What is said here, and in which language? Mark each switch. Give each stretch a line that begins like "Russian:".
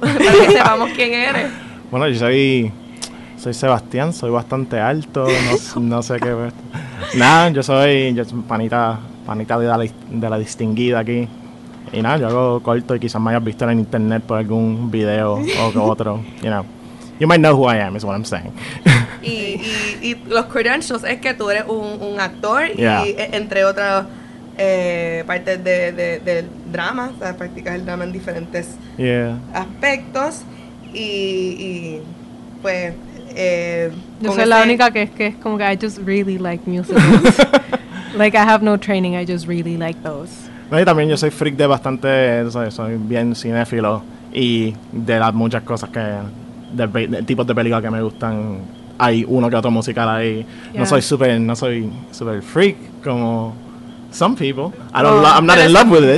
Spanish: Para que sepamos quién eres. Bueno, yo soy Sebastián, soy bastante alto, no sé qué. Nada, yo soy panita de la distinguida aquí. Y nada, yo hago corto y quizás me hayas visto en internet por algún video o otro.
English: You know, you might know who I am, is what I'm saying.
Spanish: Y los credentials es que tú eres un actor, yeah. Y entre otras partes del drama, o sea, practicas el drama en diferentes, yeah, aspectos. Y pues... yo soy la única que es como que
English: I just really like musicals. Like, I have no training, I just really like those.
Spanish: No, y también yo soy freak de bastante, soy bien cinéfilo y de las muchas cosas que, de tipos de películas que me gustan, hay uno que otro musical ahí. Yeah. No soy super freak como
English: some people. I'm not in love with it.